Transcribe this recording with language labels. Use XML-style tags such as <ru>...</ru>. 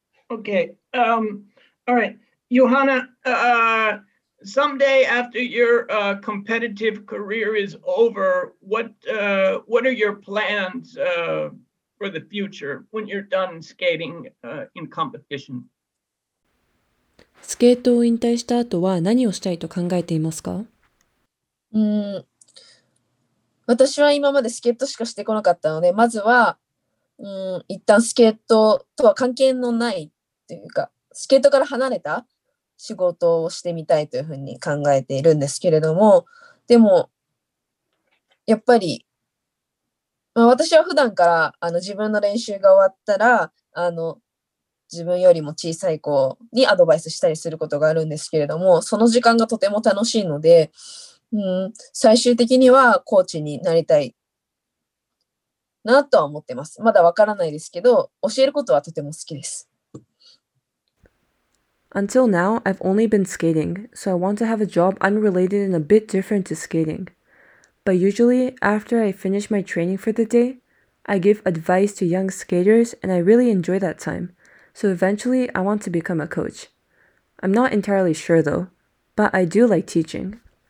<en>Okay. All right. Johanna, someday after your competitive career is over, what are your plans for the future when you're done skating in competition?</en> <ja>スケートを引退した後は何をしたいと考えていますか？私は今までスケートしかしてこなかったので、まずは、一旦スケートとは関係のないというか、スケートから離れた仕事をしてみたいというふうに考えているんですけれども、でも、やっぱり、まあ、私は普段から自分の練習が終わったら、自分よりも小さい子にアドバイスしたりすることがあるんですけれども、その時間がとても楽しいので、最終的にはコーチになりたいなとは思ってます。まだわからないですけど、教えることはとても好きです。</ja> <en>Until now, I've only been skating, so I want to have a job unrelated and a bit different to skating. But usually, after I finish my training for the day, I give advice to young skaters and I really enjoy that time. So eventually, I want to become a coach. I'm not entirely sure though, but I do like teaching.</en>